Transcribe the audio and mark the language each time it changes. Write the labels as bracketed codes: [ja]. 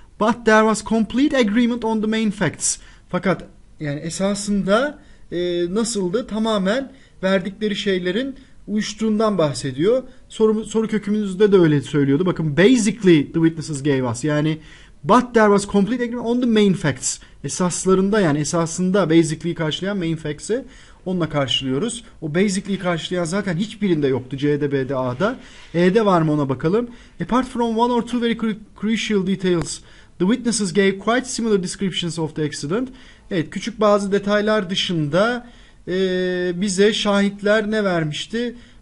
[en] But there was complete agreement on the main facts. [tr] Fakat yani esasında nasıldı? Tamamen verdikleri şeylerin uyuştuğundan bahsediyor. Soru kökümüzde de öyle söylüyordu. Bakın, [en] basically the witnesses gave us. Yani but there was complete agreement on the main facts. [tr] Esaslarında, yani esasında basically'i karşılayan main facts'i onunla karşılıyoruz. O basically'i karşılayan zaten hiçbirinde yoktu. C'de, B'de, A'da. E'de var mı, ona bakalım. [en] Apart from one or two very crucial details, the witnesses gave quite similar descriptions of the accident. [tr] Evet, küçük bazı detaylar dışında bize şahitler ne vermişti?